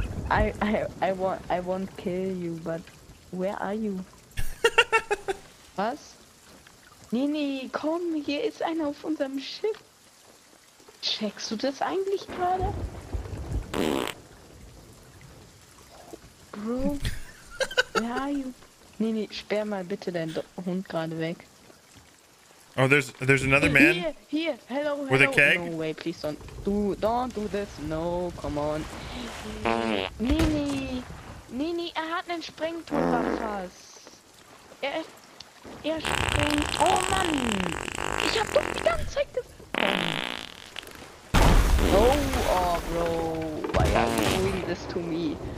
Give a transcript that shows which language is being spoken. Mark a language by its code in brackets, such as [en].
[en] I won't kill you, but where are you? [de] Was? Nini, komm, hier ist einer auf unserem Schiff. Checkst du das eigentlich gerade? Bro. Ja, Nini, sperr mal bitte deinen Hund gerade weg. [en] Oh, there's another man. Here, hello, hello. With a keg? No way, please don't do this. No, come on. [de] Nini, er hat einen Sprengtorwachs. Er springt. Oh Mann, ich hab doch die ganze Zeit gefangen. [en] Oh, bro, why are you doing this to me?